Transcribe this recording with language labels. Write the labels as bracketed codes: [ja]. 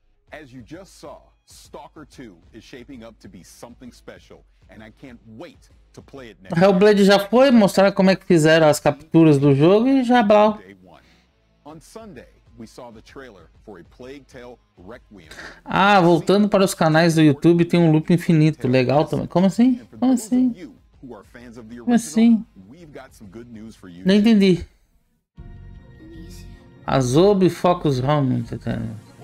[en] As you just saw, Stalker 2 is shaping up to be something special, and I can't wait to play it next. [pt] Hellblade já foi mostrar como é que fizeram as capturas do jogo e já blau. [en] On Sunday, we saw the trailer for a Plague Tale Requiem. [pt] Ah, voltando para os canais do YouTube, tem um loop infinito. Legal também. Como assim? Como assim? Como assim? Como assim? [en] We've got some good news for you. [pt] Não entendi. Azobe Focus Home, entendeu?